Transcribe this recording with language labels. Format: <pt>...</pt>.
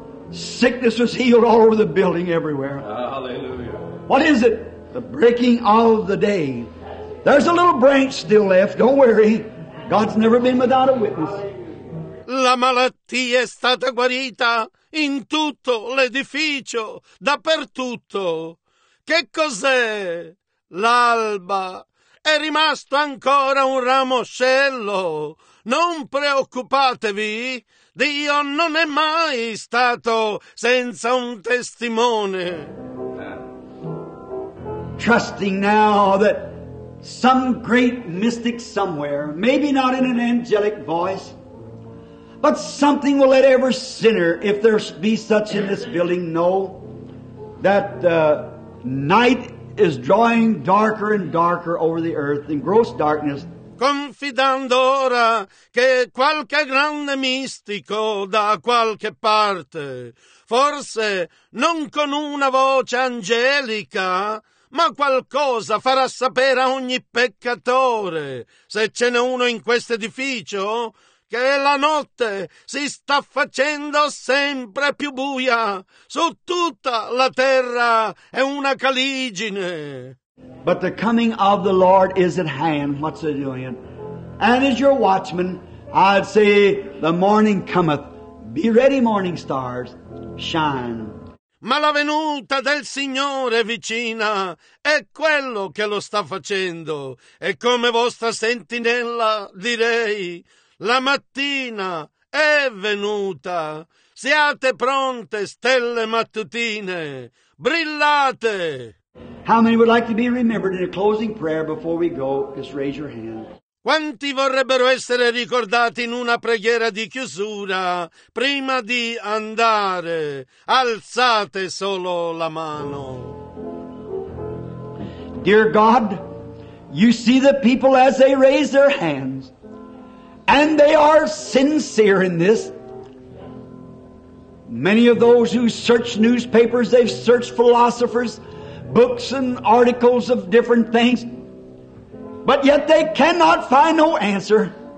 <en>Sickness was healed all over the building everywhere. Hallelujah. What is it? The breaking of the day. There's a little branch still left. Don't worry. God's never been without a witness.</en> <it>La malattia è stata guarita in tutto l'edificio, dappertutto. Che cos'è? L'alba. È rimasto ancora un ramoscello. Non preoccupatevi. Dio non è mai stato senza un testimone.</it> <en>Trusting now that some great mystic somewhere, maybe not in an angelic voice, but something will let every sinner, if there be such in this building, know that night is drawing darker and darker over the earth in gross darkness.</en> <it>Confidando ora che qualche grande mistico da qualche parte, forse non con una voce angelica, ma qualcosa farà sapere a ogni peccatore, se ce n'è uno in questo edificio, che la notte si sta facendo sempre più buia, su tutta la terra è una caligine.</it> <en>But the coming of the Lord is at hand. What's it doing? And as your watchman, I'd say, the morning cometh. Be ready, morning stars. Shine.</en> <it>Ma la venuta del Signore vicina è quello che lo sta facendo. E come vostra sentinella direi, la mattina è venuta. Siate pronte, stelle mattutine. Brillate!</it> <en>How many would like to be remembered in a closing prayer before we go? Just raise your hand.</en> <it>Quanti vorrebbero essere ricordati in una preghiera di chiusura prima di andare? Alzate solo la mano.</it> <en>Dear God, you see the people as they raise their hands, and they are sincere in this. Many of those who search newspapers, they've searched philosophers, books and articles of different things, but yet they cannot find no answer.</en>